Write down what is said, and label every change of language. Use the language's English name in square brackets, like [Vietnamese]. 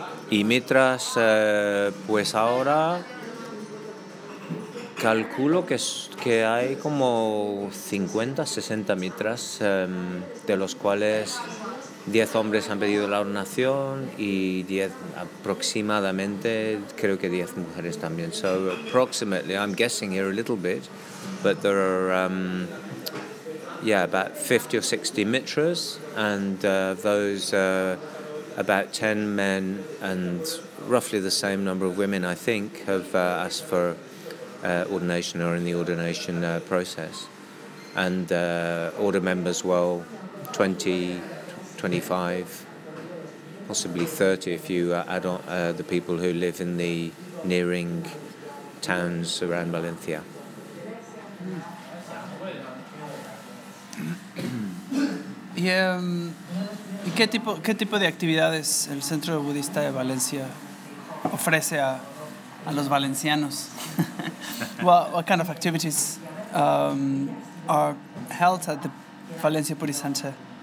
[Spanish] Y mitras, pues ahora... Calculo que hay como 50, 60 mitras, de los cuales 10 hombres han pedido la ordenación y 10, aproximadamente, creo que 10 mujeres también. [English] So approximately, I'm guessing here a little bit, but there are about 50 or 60 mitras, and those about 10 men and roughly the same number of women, I think, have asked for ordination or in the ordination process, and order members, well, 20, 25, possibly 30 if you add on the people who live in the nearing towns around Valencia. [Spanish] Y qué tipo de actividades el Centro Budista de Valencia ofrece a los valencianos? [English] What kind of activities are held at the Valencia Buddhist Center?